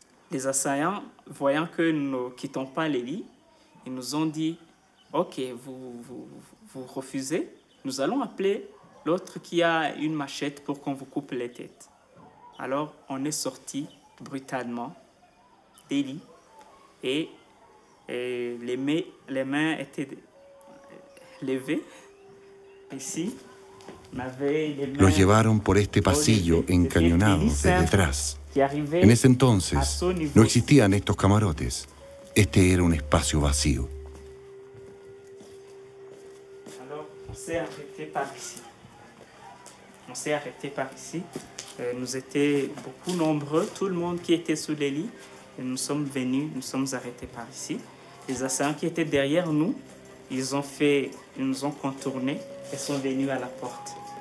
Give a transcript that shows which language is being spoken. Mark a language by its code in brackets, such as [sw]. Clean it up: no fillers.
[fr] Les assaillants, voyant que nous ne quittons pas les lits, ils nous ont dit, ok, vous refusez, nous allons appeler l'autre qui a une machette pour qu'on vous coupe les têtes. Alors, on est sorti brutalement des lits et les mains étaient levées. Ici, [es] los llevaron por este pasillo encañonado de detrás. En ese entonces, no existían estos camarotes. Este era un espacio vacío. [fr] Alors, on s'est arrêté par ici. On on s'est arrêté par ici. Nous étions beaucoup nombreux, tout le monde qui était sous les lits. Et nous sommes venus, nous sommes arrêtés par ici. Les assaillants qui étaient derrière nous, ils nous ont contournés et sont venus à la porte.